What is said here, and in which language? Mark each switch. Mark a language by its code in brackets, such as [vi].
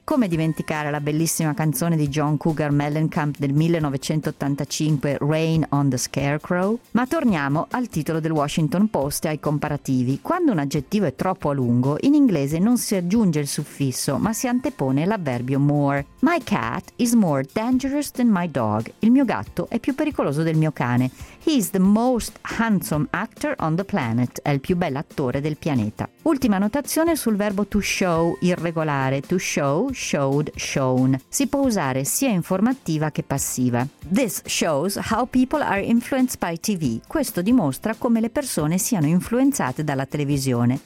[it] Come dimenticare la bellissima canzone di John Cougar Mellencamp del 1985, Rain on the Scarecrow? Ma torniamo al titolo del Washington Post e ai comparativi. Quando un aggettivo è troppo a lungo, in inglese non si aggiunge il suffisso, ma si antepone l'avverbio more. [en] My cat is more dangerous than my dog. [it] Il mio gatto è più pericoloso del mio cane. [en] He is the most handsome actor on the planet. [it] È il più bell'attore del pianeta. Ultima notazione sul verbo to show, irregolare. [en] To show, showed, shown. [it] Si può usare sia informativa che passiva. [en] This shows how people are influenced by TV. [it] Questo dimostra come le persone siano influenzate dalla televisione.